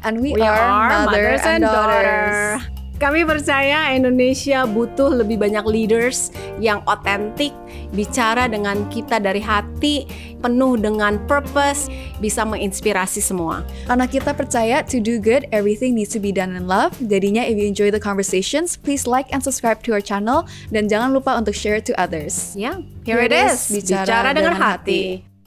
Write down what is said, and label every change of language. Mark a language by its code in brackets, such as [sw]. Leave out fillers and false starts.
[en] and we are mothers and daughters. [id] Kami percaya Indonesia butuh lebih banyak leaders yang otentik, bicara dengan kita dari hati, penuh dengan purpose, bisa menginspirasi semua. Karena kita percaya [en] to do good, everything needs to be done in love. Jadinya, if you enjoy the conversations, please like and subscribe to our channel. [id] Dan jangan lupa untuk [en] share it to others. Yeah, here it is, [id] bicara dengan hati.